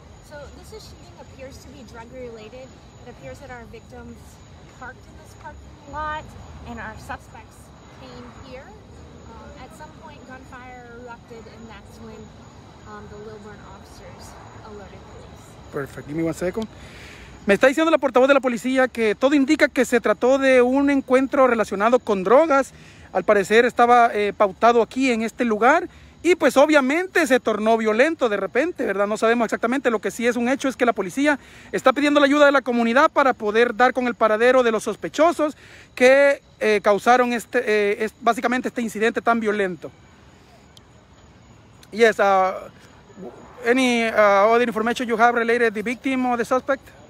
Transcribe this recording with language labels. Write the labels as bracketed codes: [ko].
[en] So this shooting appears to be drug related. It appears that our victims parked in this parking lot and our suspects came here. At some point, gunfire erupted, and that's when the Lilburn officers alerted police. Perfect. Give me one second. [es] Me está diciendo la portavoz de la policía que todo indica que se trató de un encuentro relacionado con drogas. Al parecer estaba pautado aquí en este lugar y pues obviamente se tornó violento de repente, ¿verdad? No sabemos exactamente. Lo que sí es un hecho es que la policía está pidiendo la ayuda de la comunidad para poder dar con el paradero de los sospechosos que causaron este incidente tan violento. [en] Yes, any other information you have related to the victim or the suspect?